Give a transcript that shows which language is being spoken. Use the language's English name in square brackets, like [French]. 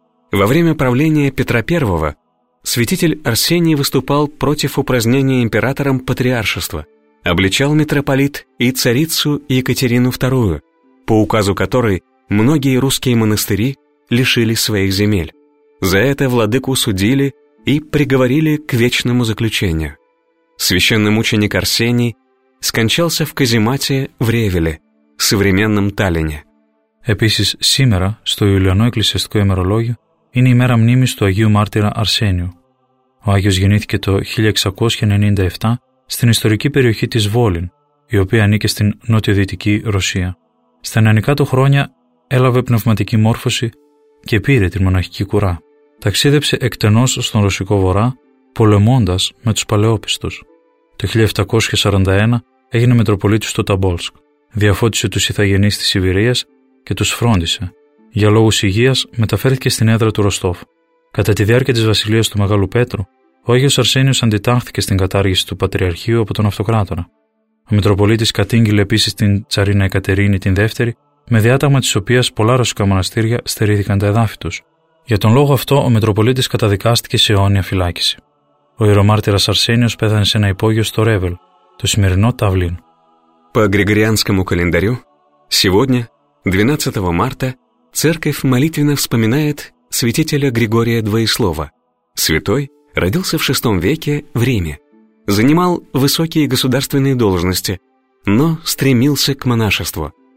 [Russian] Во время правления Петра I святитель Арсений выступал против упразднения императором патриаршества, обличал митрополит и царицу Екатерину II, по указу которой многие русские монастыри лишились своих земель. За это владыку судили и приговорили к вечному заключению. Священномученик Арсений скончался в каземате в Ревеле, современном Таллине. [Greek] Επίσης, σήμερα, στο Ιουλιανό Εκκλησιαστικό ημερολόγιο, είναι η μέρα μνήμης του Αγίου Μάρτυρα Αρσένιου. Ο Άγιος γεννήθηκε το 1697 στην ιστορική περιοχή της Βόλιν, η οποία ανήκε στην νότιο-δυτική Ρωσία. Στα νεανικά του χρόνια έλαβε πνευματική μόρφωση και πήρε τη μοναχική κουρά. Ταξίδεψε εκτενώς στον Ρωσικό Βορρά, πολεμώντας με τους παλαιόπιστους. Το 1741 έγινε Μητροπολίτης στο Ταμπόλσκ, διαφώτισε τους ηθαγενείς της Σιβηρίας και τους φρόντισε. Για λόγους υγείας μεταφέρθηκε στην έδρα του Ροστόφ. Κατά τη διάρκεια της βασιλείας του Μεγάλου Πέτρου, ο Άγιος Αρσένιος αντιτάχθηκε στην κατάργηση του Πατριαρχείου από τον Αυτοκράτορα. Ο Μητροπολίτης κατήγγειλε επίσης την Τσαρίνα Εκατερίνη την Δεύτερη, με διάταγμα της οποίας πολλά ρωσικά μοναστήρια στερήθηκαν τα εδάφη τους. Για τον λόγο αυτό, ο Μητροπολίτης καταδικάστηκε σε αιώνια φυλάκιση. Ο ιερομάρτυρας Αρσένιος πέθανε σε ένα υπόγειο στο Ρέβελ, το σημερινό Ταβλίν. [Russian] По Григорианскому календарю, сегодня, 12 марта, церковь молитвенно вспоминает святителя Григория Двоеслова. Святой родился в 6 веке в Риме. Занимал высокие государственные должности, но стремился к монашеству.